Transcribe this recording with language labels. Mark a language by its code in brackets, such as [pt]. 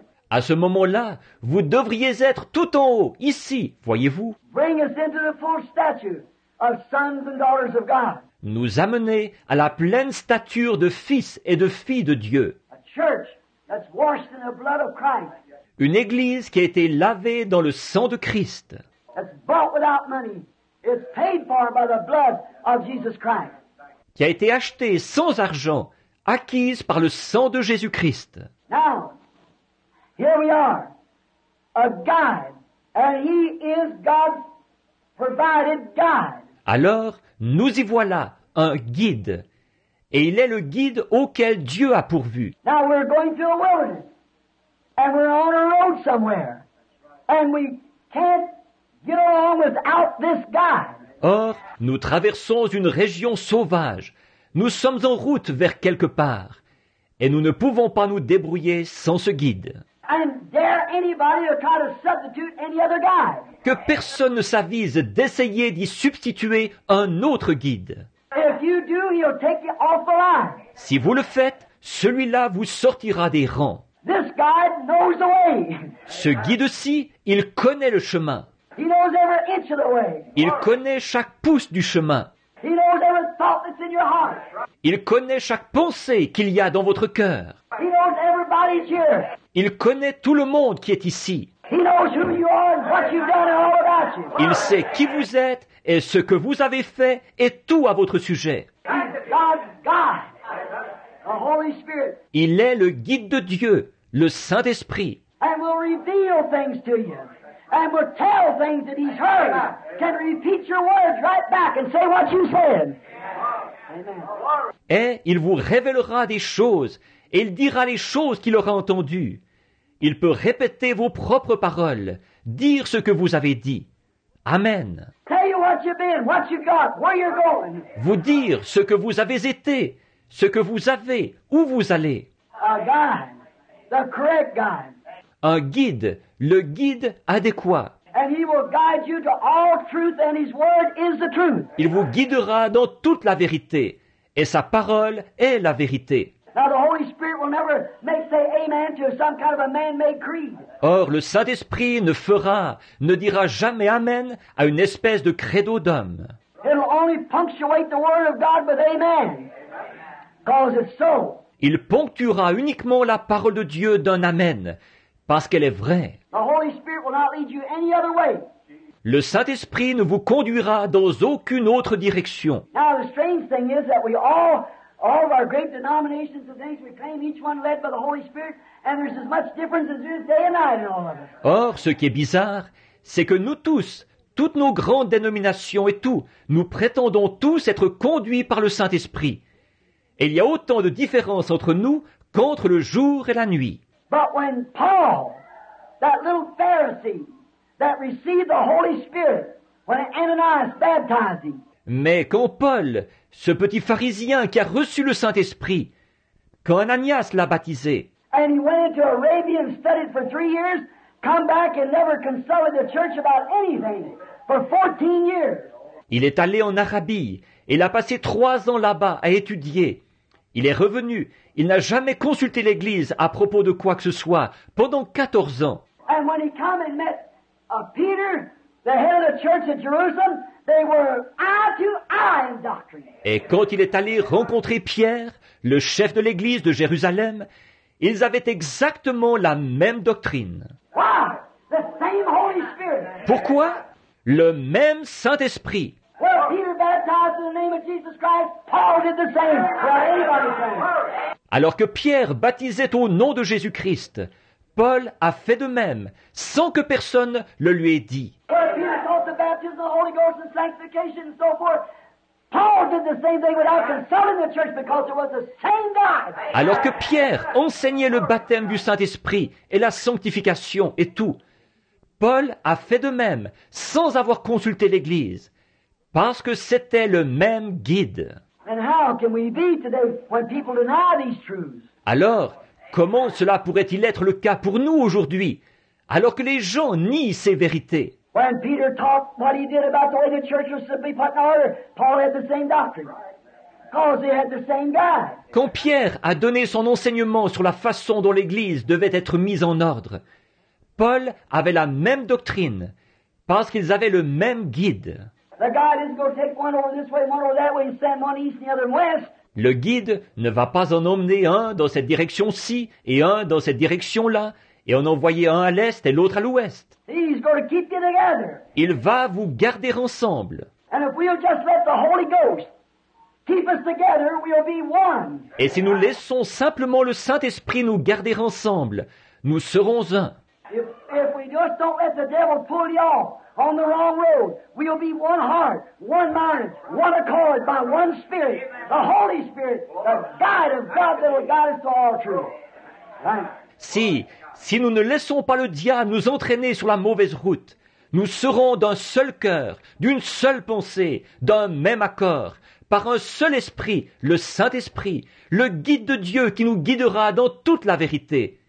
[fr] À ce moment-là, vous devriez être tout en haut, ici, voyez-vous. [en] Bring us into the full stature of sons and daughters of God. [fr] Nous amener à la pleine stature de fils et de filles de Dieu. [en] A church that's washed in the blood of Christ. [fr] Une église qui a été lavée dans le sang de Christ. [en] That's bought without money. It's paid for by the blood of Jesus Christ. [fr] Qui a été achetée sans argent, acquise par le sang de Jésus-Christ. [en] Now, here we are, a guide, and he is God's provided guide. [fr] Alors, nous y voilà, un guide, et il est le guide auquel Dieu a pourvu. [en] Now we're going through a wilderness, and we're on a road somewhere, and we can't get along without this guide. [fr] Or, nous traversons une région sauvage. Nous sommes en route vers quelque part. Et nous ne pouvons pas nous débrouiller sans ce guide. [en] And dare anybody to try to substitute any other guide. [fr] Que personne ne s'avise d'essayer d'y substituer un autre guide. [en] If you do, he'll take you off the line. [fr] Si vous le faites, celui-là vous sortira des rangs. [en] This guide knows the way. [fr] Ce guide-ci, il connaît le chemin. [en] He knows every inch of the way. [fr] Il connaît chaque pouce du chemin. [en] He knows every thought that's in your heart. [fr] Il connaît chaque pensée qu'il y a dans votre cœur. [en] He knows everybody's here. [fr] Il connaît tout le monde qui est ici. [en] He knows who you are and what you've done and all about you. [fr] Il sait qui vous êtes et ce que vous avez fait et tout à votre sujet. [en] God, the Holy Spirit. [fr] Il est le guide de Dieu, le Saint-Esprit. [en] And will reveal things to you. And will tell things that he's heard. Can repeat your words right back and say what you said. Amen. [fr] Et il vous révélera des choses, et il dira les choses qu'il aura entendues. Il peut répéter vos propres paroles, dire ce que vous avez dit. Amen. [en] Tell you what you've been, what you've got, where you're going. [fr] Vous dire ce que vous avez été, ce que vous avez, où vous allez. [en] A guide, the correct guide. [fr] Un guide, le guide adéquat. [en] And he will guide you to all truth and his word is the truth. [fr] Il vous guidera dans toute la vérité et sa parole est la vérité. [en] Now the Holy Spirit will never make say amen to some kind of a man-made creed. [fr] Or le Saint-Esprit ne dira jamais amen à une espèce de credo d'homme. [en] It'll only punctuate the word of God with amen. Because it's so. [fr] Il ponctuera uniquement la parole de Dieu d'un amen, parce qu'elle est vraie. [en] The Holy Spirit will not lead you any other way. [fr] Le Saint-Esprit ne vous conduira dans aucune autre direction. [en] Now the strange thing is that we all of our great denominations and things, we claim each one led by the Holy Spirit, and there's as much difference as there is day and night in all of us. [fr] Or, ce qui est bizarre, c'est que nous tous, toutes nos grandes dénominations et tout, nous prétendons tous être conduits par le Saint-Esprit. Et il y a autant de différence entre nous qu'entre le jour et la nuit. [en] But when Paul, that little Pharisee, that received the Holy Spirit, when Ananias baptized him. [fr] Mais quand Paul, ce petit pharisien qui a reçu le Saint-Esprit, quand Ananias l'a baptisé, [en] and he went into Arabia and studied for 3 years, come back and never consulted the church about anything for 14 years. [fr] Il est allé en Arabie et il a passé 3 ans là-bas à étudier. Il est revenu, il n'a jamais consulté l'Église à propos de quoi que ce soit pendant 14 ans. [en] And when he came and met Peter, the head of the church at Jerusalem, they were eye to eye in doctrine. [fr] Et quand il est allé rencontrer Pierre, le chef de l'Église de Jérusalem, ils avaient exactement la même doctrine. [en] Why? The same Holy Spirit. [fr] Pourquoi? Le même Saint-Esprit. [en] Well, Peter baptized in the name of Jesus Christ, Paul did the same. Well, anybody can. [fr] Alors que Pierre baptisait au nom de Jésus-Christ, Paul a fait de même, sans que personne le lui ait dit. [en] Well, Peter taught the baptism of the Holy Ghost and sanctification and so forth. Paul did the same thing without consulting the church because it was the same God. [fr] Alors que Pierre enseignait le baptême du Saint-Esprit et la sanctification et tout, Paul a fait de même sans avoir consulté l'Église, parce que c'était le même guide. [en] And how can we be today when people deny these truths? [fr] Alors, comment cela pourrait-il être le cas pour nous aujourd'hui, alors que les gens nient ces vérités? [en] When Peter taught what he did about the way the church was simply put in order, Paul had the same doctrine. Because they had the same God. [fr] Quand Pierre a donné son enseignement sur la façon dont l'Église devait être mise en ordre, Paul avait la même doctrine, parce qu'ils avaient le même guide. [en] The God isn't going to take one over this way, one over that way, and send one east and the other west. [fr] Le guide ne va pas en emmener un dans cette direction-ci et un dans cette direction-là, et en envoyer un à l'est et l'autre à l'ouest. [en] He's going to keep you together. [fr] Il va vous garder ensemble. [en] And if we'll just let the Holy Ghost keep us together, we'll be one. [fr] Et si nous laissons simplement le Saint-Esprit nous garder ensemble, nous serons un. [en] If we just don't let the devil pull you off on the wrong road, we'll be one heart, one mind, one accord by one Spirit, the Holy Spirit, the guide of God that will guide us to all truth. [fr] Si nous ne laissons pas le diable nous entraîner sur la mauvaise route, nous serons d'un seul cœur, d'une seule pensée, d'un même accord, par un seul esprit, le Saint-Esprit, le guide de Dieu qui nous guidera dans toute la vérité.